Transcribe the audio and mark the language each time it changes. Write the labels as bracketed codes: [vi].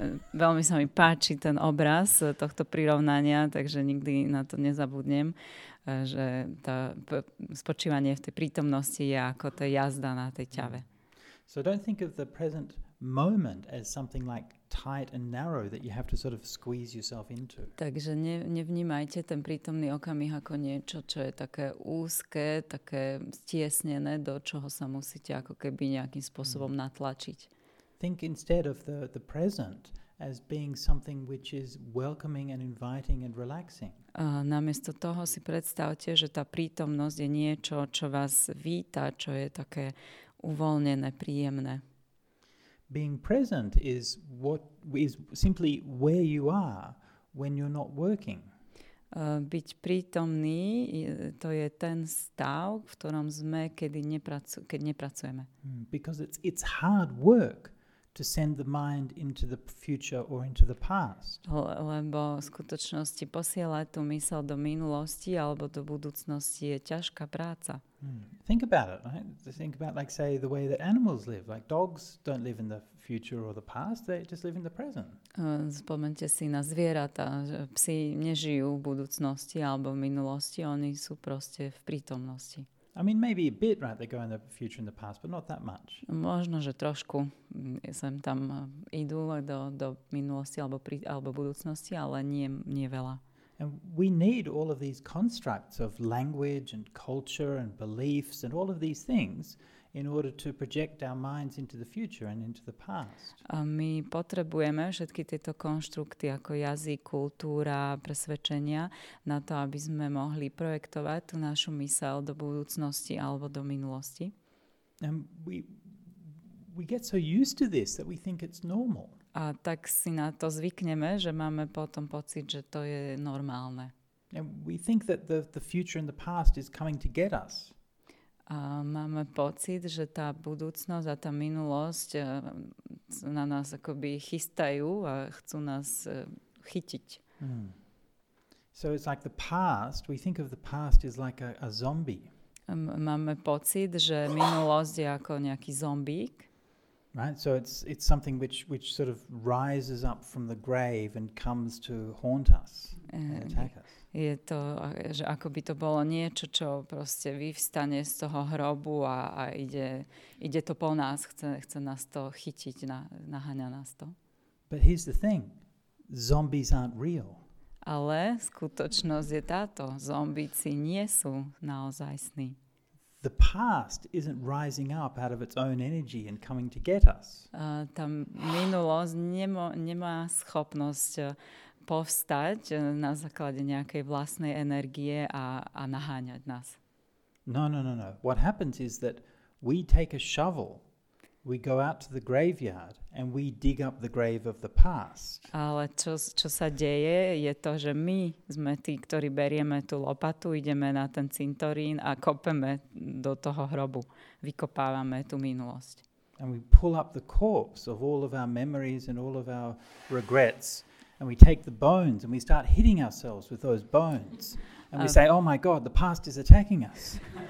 [sk] Veľmi sa mi páči ten obraz tohto prirovnania, takže nikdy na to nezabudnem, že tá spočívanie v tej prítomnosti je ako tá jazda na tej ťave. [en] So don't think of the present moment as something like tight and narrow that you have to sort of squeeze yourself into. [sk] Takže nevnímajte ten prítomný okamih ako niečo, čo je také úzke, také stiesnené, do čoho sa musíte ako keby nejakým spôsobom natlačiť. [en] Think instead of the present as being something which is welcoming and inviting and relaxing. [sk] Namiesto toho si predstavte, že tá prítomnosť je niečo, čo vás víta, čo je také uvoľnené, príjemné. [en] Being present is what is simply where you are when you're not working. [sk] Byť prítomný, to je ten stav, v ktorom sme, keď nepracujeme. [en] Because it's hard work to send the mind into the future or into the past. [sk] Lebo v skutočnosti posielať tú myseľ do minulosti alebo do budúcnosti je ťažká práca. [en] Think about it, right? Think about like say the way that animals live, like dogs don't live in the future or the past, they just live in the present. [sk] Spomente si na zvieratá, psi nežijú v budúcnosti alebo v minulosti, oni sú proste v prítomnosti. [en] I mean, maybe a bit, right? They go in the future and the past, but not that much. [sk] Možno, že trošku sem tam idú do minulosti alebo budúcnosti, ale nie veľa. [en] And we need all of these constructs of language and culture and beliefs and all of these things in order to project our minds into the future and into the past. [sk] A my potrebujeme všetky tieto konštrukty ako jazyk, kultúra, presvedčenia na to, aby sme mohli projektovať tú našu myseľ do budúcnosti alebo do minulosti. [en] And we get so used to this that we think it's normal. [sk] A tak si na to zvykneme, že máme potom pocit, že to je normálne. [en] And we think that the future and the past is coming to get us. [sk] A máme pocit, že tá budúcnosť a tá minulosť na nás akoby chystajú a chcú nás chytiť. [en] So it's like the past, we think of the past is like a zombie. [sk] Máme pocit, že minulosť je ako nejaký zombík. [en] Right, so it's something which sort of rises up from the grave and comes to haunt us and attack us. [sk] Je to, že akoby to bolo niečo, čo proste vyvstane z toho hrobu a ide to po nás, chce nás to chytiť, naháňa nás to. [en] But here's the thing, zombies aren't real. [sk] Ale skutočnosť je táto, zombíci nie sú naozajstní. [en] The past isn't rising up out of its own energy and coming to get us. [sk] Tá minulosť nemá schopnosť povstať na základe nejakej vlastnej energie a naháňať nás. [en] No. What happens is that we take a shovel, we go out to the graveyard and we dig up the grave of the past. [sk] Ale čo sa deje, je to, že my sme tí, ktorí berieme tú lopatu, ideme na ten cintorín a kopeme do toho hrobu. Vykopávame tú minulosť. [en] And we pull up the corpse of all of our memories and all of our regrets. And we take the bones and we start hitting ourselves with those bones. And we say, oh my God, the past is attacking us.